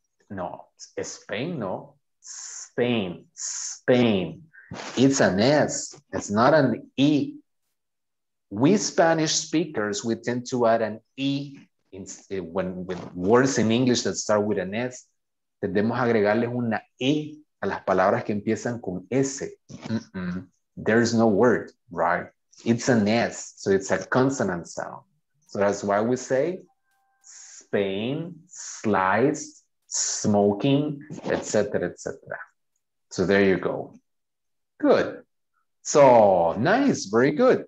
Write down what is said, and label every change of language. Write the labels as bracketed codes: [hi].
[en] No, Spain, no. Spain, Spain. It's an S. It's not an E. We Spanish speakers, we tend to add an E in, when with words in English that start with an S. [es] Tendemos a agregarles una E a las palabras que empiezan con S. [en] Mm-mm. There is no word, right? It's an S, so it's a consonant sound. So that's why we say Spain, sliced, smoking, etc., etc. So there you go. Good. So nice, very good.